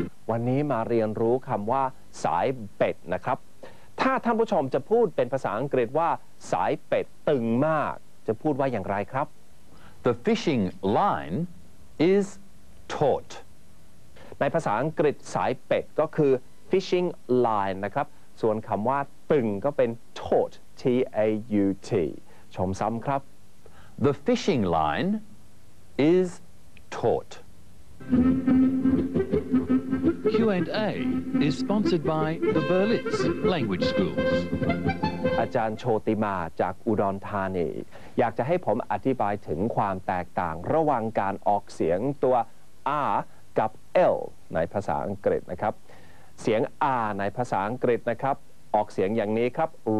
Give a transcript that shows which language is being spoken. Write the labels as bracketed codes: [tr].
[th] วันนี้มาเรียนรู้คำว่าสายเป็ดนะครับถ้าท่านผู้ชมจะพูดเป็นภาษาอังกฤษว่าสายเป็ดตึงมากจะพูดว่าอย่างไรครับ [en] The fishing line is taut [th] ในภาษาอังกฤษสายเป็ดก็คือ fishing line นะครับส่วนคำว่าตึงก็เป็น taut T-A-U-T ชมซ้ำครับ [en] The fishing line is taut Q&A is sponsored by the Berlitz Language Schools [th] อาจารย์โชติมาจากอุดรธานีอยากจะให้ผมอธิบายถึงความแตกต่างระหว่างการออกเสียงตัว R กับ L ในภาษาอังกฤษนะครับเสียง R ในภาษาอังกฤษนะครับออกเสียงอย่างนี้ครับ